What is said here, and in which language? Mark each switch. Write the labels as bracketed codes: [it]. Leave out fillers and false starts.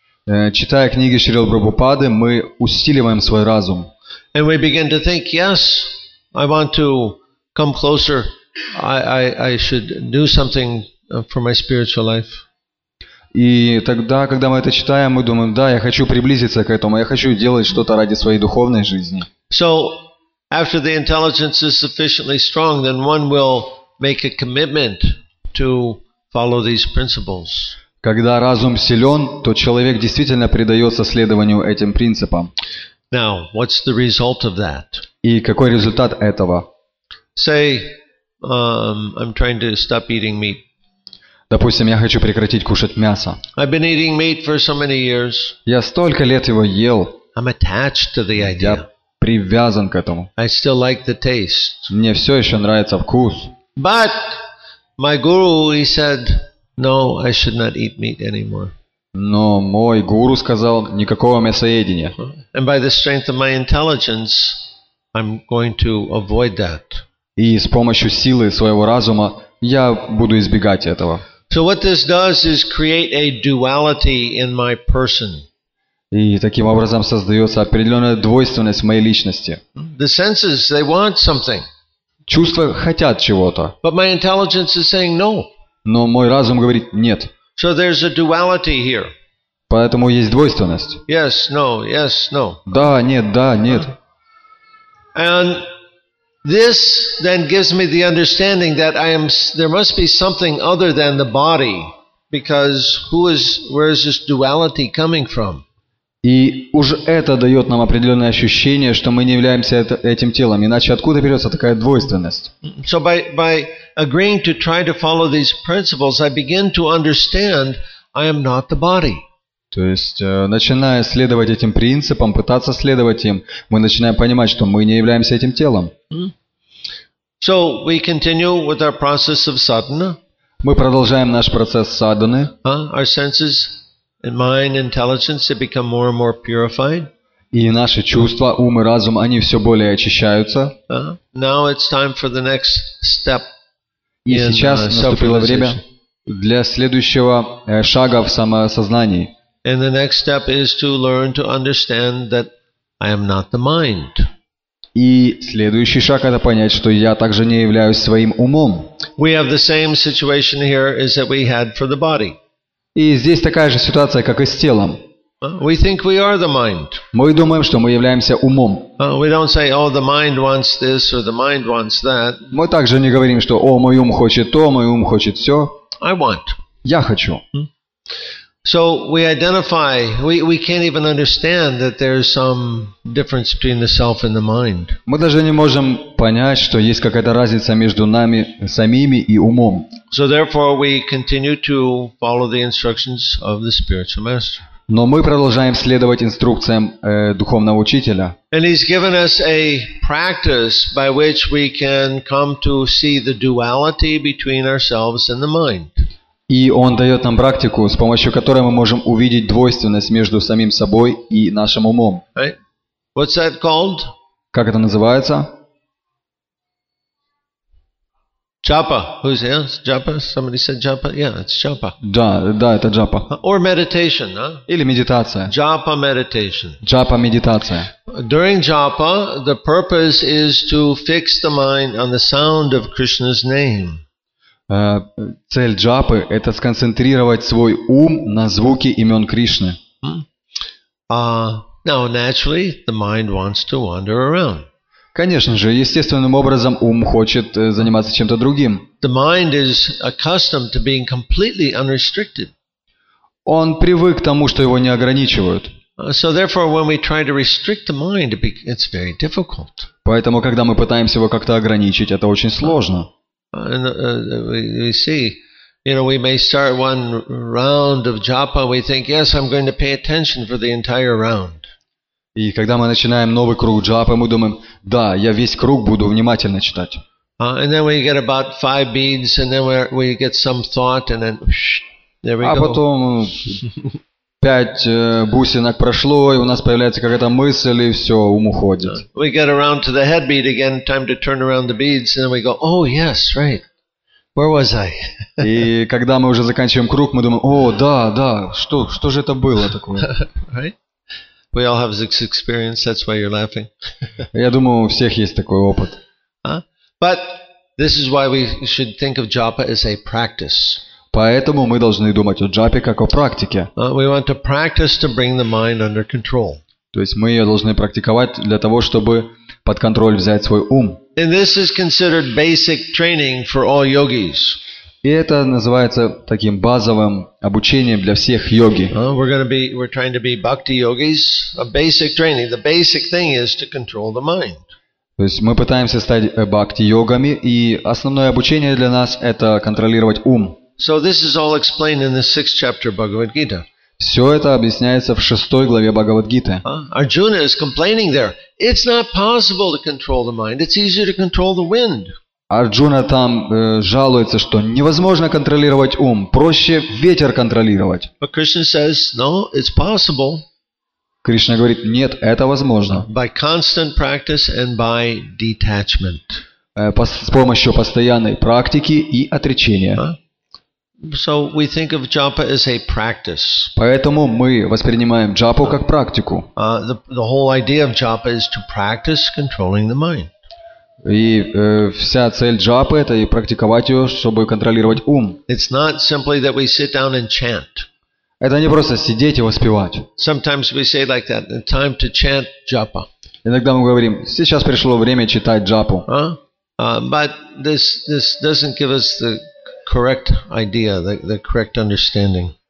[ru] Читая книги Шрилы Прабхупады, мы усиливаем свой разум. [en] And we begin to think, yes, I want to come closer. I should do something for my spiritual life. [ru] И тогда, когда мы это читаем, мы думаем: да, я хочу приблизиться к этому, я хочу делать что-то ради своей духовной жизни. [en] So, after the intelligence is sufficiently strong, then one will make a commitment to follow these principles. [ru] Когда разум силен, то человек действительно предается следованию этим принципам. [en] Now, what's the result of that? [ru] И какой результат этого? [en] Say, I'm trying to stop eating meat. [ru] Допустим, я хочу прекратить кушать мясо. [en] I've been eating meat for so many years. [ru] Я столько лет его ел. [en] I'm attached to the idea. [ru] Я привязан к этому. [en] I still like the taste. [ru] Мне все еще нравится вкус. [en] But my guru, he said, no, I should not eat meat anymore. [ru] Но мой гуру сказал: никакого мясоедения. [en] And by the strength of my intelligence, I'm going to avoid that. [ru] И с помощью силы своего разума я буду избегать этого. [en] So what this does is create a duality in my person. [ru] И таким образом создается определенная двойственность в моей личности. [en] The senses, they want something. [ru] Чувства хотят чего-то. [en] But my intelligence is saying no. [ru] Но мой разум говорит нет. [en] So there's a duality here. [ru] Поэтому есть двойственность. [en] Yes, no, yes, no. [ru] Да, нет, да, нет. [en] And this then gives me the understanding that I am. There must be something other than the body, because where is this duality coming from? [ru] И уже это дает нам определенное ощущение, что мы не являемся этим телом. Иначе откуда берется такая двойственность? [en] So by agreeing to try to follow these principles, I begin to understand I am not the body. [ru] То есть, начиная следовать этим принципам, пытаться следовать им, мы начинаем понимать, что мы не являемся этим телом. [en] So we continue with our process of sadhana. [ru] Мы продолжаем наш процесс садханы. [en] Our senses and mind intelligence become more and more purified. [ru] И наши чувства, ум и разум, они все более очищаются. [en] Now it's time for the next step. [ru] И сейчас наступило время для следующего шага в самосознании. [en] And the next step is to learn to understand that I am not the mind. [ru] И следующий шаг – это понять, что я также не являюсь своим умом. [en] We have the same situation here as that we had for the body. [ru] И здесь такая же ситуация, как и с телом. [en] We think we are the mind. [ru] Мы думаем, что мы являемся умом. [en] We don't say, oh, the mind wants this or the mind wants that. [ru] Мы также не говорим, что, о, мой ум хочет то, мой ум хочет все. [en] I want. [ru] Я хочу. [en] So we identify, we can't even understand that there's some difference between the self and the mind. [ru] Мы даже не можем понять, что есть какая-то разница между нами самими и умом. [en] So therefore we continue to follow the instructions of the spiritual master. [ru] Но мы продолжаем следовать инструкциям духовного учителя. [en] And he's given us a practice by which we can come to see the duality between ourselves and the mind. [ru] И он дает нам практику, с помощью которой мы можем увидеть двойственность между самим собой и нашим умом. [en] Right. What's that called? [ru] Как это называется? [en] Japa. Who's here? Japa? Somebody said japa? Yeah, it's japa. [ru] Да, да, это japa. [en] Or meditation, huh? [ru] Или медитация. [en] Japa meditation. [ru] Japa медитация. [en] During japa, the purpose is to fix the mind on the sound of Krishna's name. [ru] Цель джапы – это сконцентрировать свой ум на звуке имен Кришны. [en] Now, naturally, the mind wants to wander around. [ru] Конечно же, естественным образом ум хочет заниматься чем-то другим. [en] The mind is accustomed to being completely unrestricted. [ru] Он привык к тому, что его не ограничивают. [en] So therefore, when we try to restrict the mind, it's very difficult. [ru] Поэтому, когда мы пытаемся его как-то ограничить, это очень сложно. [en] We see, you know, we may start one round of japa, we think, yes, I'm going to pay attention for the entire round. [ru] И когда мы начинаем новый круг джапы, мы думаем, да, я весь круг буду внимательно читать. [en] And then we get about 5 beads, and then we get some thought, and then there we go. [ru] А потом 5 бусинок прошло, и у нас появляется какая-то мысль, и все, ум уходит. [en] We get around to the head bead again, time to turn around the beads, and then we go, oh, yes, right. Where was I? [ru] И когда мы уже заканчиваем круг, мы думаем, о, да, да, что же это было такое? [en] Right? We all have this experience, that's why you're laughing. [ru] Я думаю, у всех есть такой опыт. [en] But this is why we should think of japa as a practice. [ru] Поэтому мы должны думать о джапе как о практике. [en] We want to practice to bring the mind under control. [ru] То есть мы ее должны практиковать для того, чтобы под контроль взять свой ум. [en] And this is considered basic training for all yogis. [ru] И это называется таким базовым обучением для всех йоги. [en] We're trying to be bhakti yogis. A basic training. The basic thing is to control the mind. [ru] То есть мы пытаемся стать бхакти-йогами, и основное обучение для нас – это контролировать ум. [en] So this is all explained in the 6th chapter of Bhagavad Gita. [ru] Все это объясняется в 6 главе Бхагавад Гиты. [en] Arjuna is complaining there. It's not possible to control the mind. It's easier to control the wind. [ru] Arjuna там жалуется, что невозможно контролировать ум, проще ветер контролировать. [en] But Krishna says, no, it's possible. [ru] Кришна говорит: "Нет, это возможно". [en] By constant practice and by detachment. [ru] С помощью постоянной практики и отречения. [en] So we think of japa as a practice. [ru] Поэтому мы воспринимаем джапу как практику. [en] The whole idea of japa is to practice controlling the mind. [ru] И вся цель джапы это и практиковать ее, чтобы контролировать ум. [en] It's not simply that we sit down and chant. [ru] Это не просто сидеть и воспевать. [en] Sometimes we say like that, time to chant japa. [ru] Иногда мы говорим: "Сейчас пришло время читать джапу". [en] But this doesn't give us the correct idea, the correct understanding.